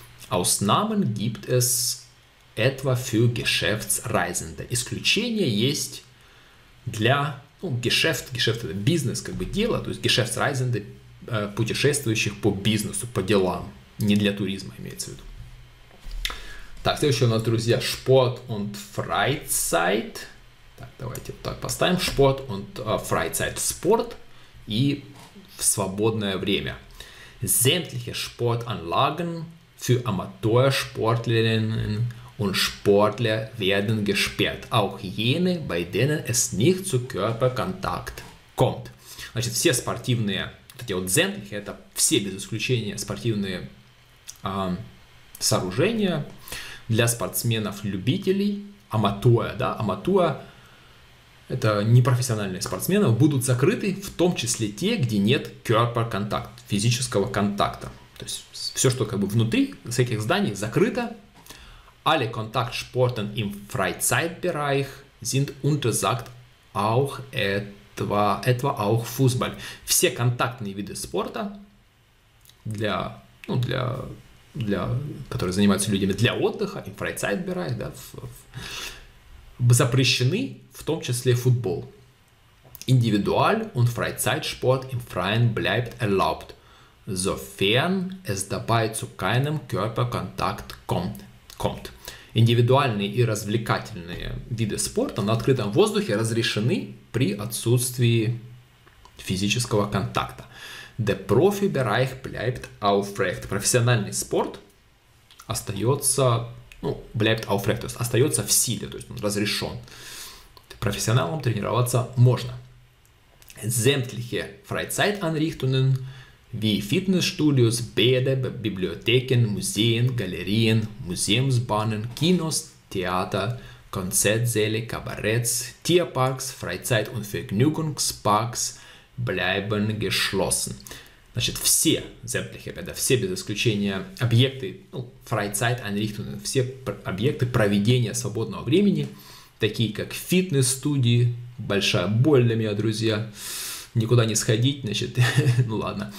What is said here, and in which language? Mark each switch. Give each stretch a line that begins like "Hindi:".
German: Ausnahmen gibt es etwa für Geschäftsreisende.
Russian: Исключение есть для, ну, Geschäft, Geschäft это бизнес, как бы дело, то есть Geschäftsreisende, путешествующих по бизнесу, по делам, не для туризма имеется в виду. Так, следующее у нас, друзья,
German: Sport und Freizeit.
Russian: Так, давайте так поставим.
German: Sport und Freizeit.
Russian: Спорт и в свободное время.
German: Sämtliche Sportanlagen für Amateursportlerinnen und Sportler werden gesperrt. Auch jene, bei denen es nicht zu Körperkontakt kommt.
Russian: Значит, все спортивные, эти вот sämtliche, это все без исключения спортивные сооружения, для спортсменов-любителей, аматуа, да, аматуа, это непрофессиональные спортсмены, будут закрыты, в том числе те, где нет körperkontakt, физического контакта. То есть все, что как бы внутри этих зданий, закрыто.
German: Alle Kontaktsporten im Freizeitbereich sind untersagt auch etwa, etwa auch Fußball.
Russian: Все контактные виды спорта для, ну, для, для, которые занимаются людьми для отдыха,
German: im Freizeitbereich,
Russian: да, запрещены, в том числе футбол.
German: Individual und Freizeitsport im Freien bleibt erlaubt, sofern es dabei zu keinem Körperkontakt kommt.
Russian: Индивидуальные и развлекательные виды спорта на открытом воздухе разрешены при отсутствии физического контакта.
German: Der Profibereich bleibt aufrecht.
Russian: Профессиональный спорт остается, ну,
German: bleibt aufrecht,
Russian: то есть остается в силе, то есть он разрешен. Профессионалам тренироваться можно.
German: Sämtliche Freizeitanrichtungen wie Fitnessstudios, Bäder, Bibliotheken, Museen, Galerien, Museumsbahnen, Kinos, Theater, Konzertsäle, Kabaretts, Tierparks, Freizeit- und Vergnügungsparks bleiben geschlossen.
Russian: Значит, все,
German: sämtliche Bäder,
Russian: все без исключения объекты, ну, Freizeitanrichtungen, все объекты проведения свободного времени, такие как фитнес-студии, большая боль для меня, друзья, никуда не сходить, значит, ну ладно.